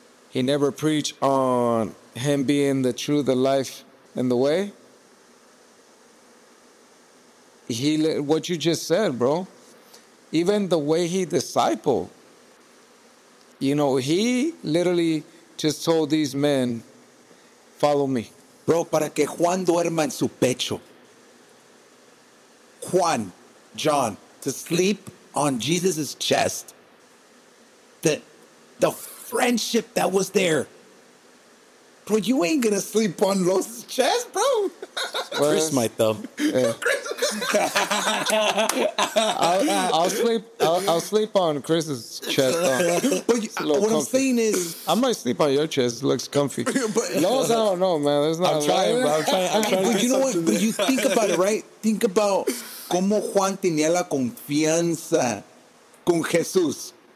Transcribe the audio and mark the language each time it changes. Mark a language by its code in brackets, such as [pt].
[en] He never preached on him being the truth, the life, and the way. What you just said, bro. Even the way he discipled, you know, he literally just told these men, follow me. [es] Bro, para que Juan duerma en su pecho. [en] Juan, John, to sleep on Jesus' chest. The friendship that was there. Bro, you ain't gonna sleep on Los' chest, bro. Well, Chris might, though. Yeah. Chris. I'll sleep on Chris's chest. What I'm saying is, I might sleep on your chest. It looks comfy. Lose, I don't know, man. There's not. I'm trying. But you know what? But you think about it, right? Think about [es] cómo Juan tenía la confianza con Jesús.